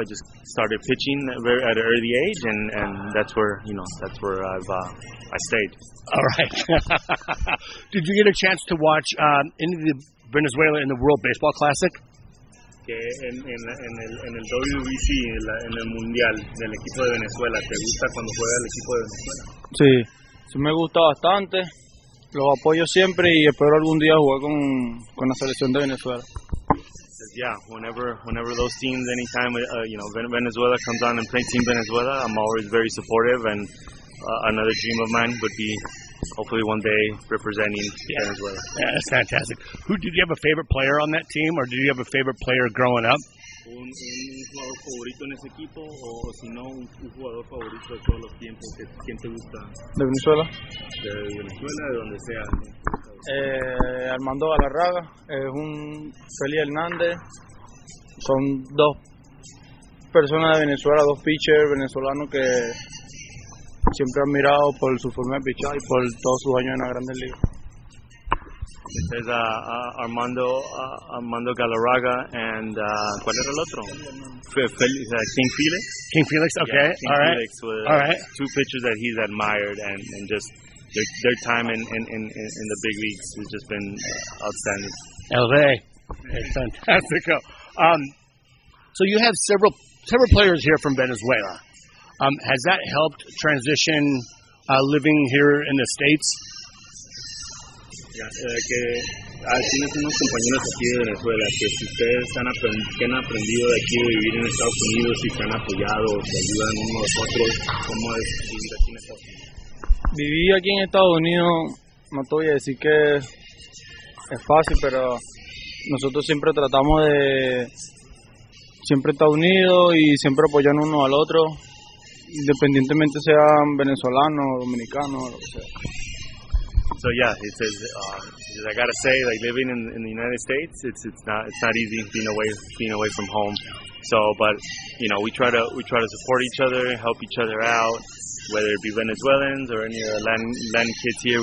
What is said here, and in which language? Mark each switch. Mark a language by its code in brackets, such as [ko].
[en] I just started pitching at an early age, and that's where, that's where I stayed. All right. Did you get a chance to watch any of the Venezuela in the World Baseball Classic? [es] Que en el WBC, en el Mundial del equipo de Venezuela, ¿te gusta cuando juega el equipo de Venezuela? Sí, sí me gusta bastante. Los apoyo siempre y espero algún día jugar con la selección de Venezuela. [en] Yeah, whenever those teams, anytime, Venezuela comes on and play Team Venezuela, I'm always very supportive, and another dream of mine would be hopefully one day representing Venezuela. Yeah, that's fantastic. Who did you have a favorite player on that team, or did you have a favorite player growing up? [es] Un jugador favorito en ese equipo, o si no, un jugador favorito de todos los tiempos, ¿quién te gusta? ¿De Venezuela? De Venezuela, de donde sea. Armando Galarraga, es un Félix Hernández, son dos personas de Venezuela, dos pitchers venezolanos que siempre han mirado por su forma de pichar y por todos sus años en la Grandes Ligas. Es Armando Galarraga and ¿cuál era el otro? [en] King Felix. Okay. Yeah, All right. Two pitchers that he's admired and just their time in the big leagues has just been outstanding. [es] LA. Fantástico. [en] So you have several players here from Venezuela. Has that helped transition living here in the States? [es] Tienes unos compañeros aquí de Venezuela que si ustedes han aprendido de aquí de vivir en Estados Unidos y se han apoyado o se ayudan unos a otros, ¿cómo es vivir aquí en Estados Unidos? Vivir aquí en Estados Unidos, no te voy a decir que es fácil, pero nosotros siempre tratamos de siempre estar unidos y siempre apoyar uno al otro, independientemente sean venezolanos, dominicanos, lo que sea. [en] So yeah, it says I gotta say, like living in the United States, it's not easy being away from home. So, but we try to support each other, help each other out, whether it be Venezuelans or any other land kids here.